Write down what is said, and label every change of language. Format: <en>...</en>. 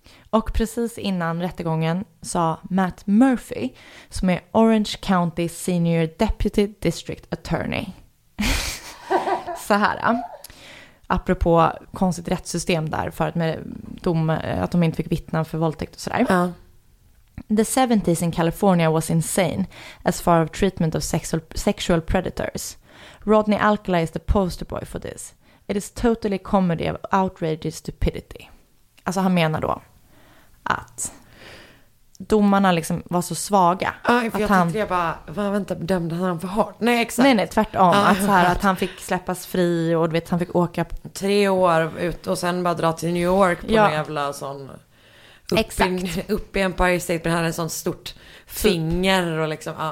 <sv>Och precis innan rättegången sa Matt Murphy, som är Orange County Senior Deputy District Attorney, så här, apropå konstigt rättssystem där för att, med dom, att de inte fick vittna för våldtäkt och sådär.</sv> <en>The 70s in California was insane as far as treatment of sexual predators. Rodney Alcala is the poster boy for this. It is totally comedy of outrageous stupidity.</en> <sv>Alltså han menar då att domarna liksom var så svaga. Vänta, dömde han för hårt? Nej, exakt. Nej, tvärtom. Att, så här, att han fick släppas fri och du vet, han fick åka 3 år ut och sen bara dra till New York på en jävla sån upp i Empire State, men han hade en sån stort finger och liksom,</sv>